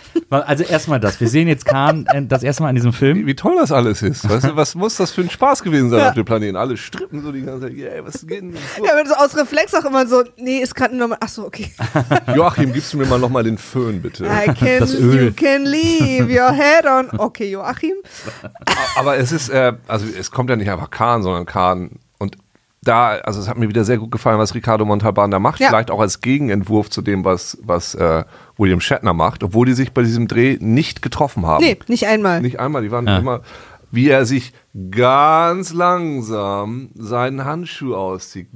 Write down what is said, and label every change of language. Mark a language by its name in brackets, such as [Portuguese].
[German] Also erstmal das, wir sehen jetzt Khan das erste Mal in diesem Film. Wie toll das alles ist, weißt du, was muss das für ein Spaß gewesen sein auf dem Planeten? Alle strippen so die ganze Zeit, yeah, was geht denn? Ja, wenn so aus Reflex auch immer so, nee, ist gerade normal, ach so, okay. Joachim, gibst du mir mal nochmal den Föhn, bitte? [English] You can leave your head on, okay, Joachim. [German] Aber es ist, also es kommt ja nicht einfach Khan, sondern Khan. Und da, also es hat mir wieder sehr gut gefallen, was Ricardo Montalban da macht. Ja. Vielleicht auch als Gegenentwurf zu dem, was William Shatner macht. Obwohl die sich bei diesem Dreh nicht getroffen haben. Nee, nicht einmal. Nicht einmal, die waren immer, wie er sich ganz langsam seinen Handschuh auszieht.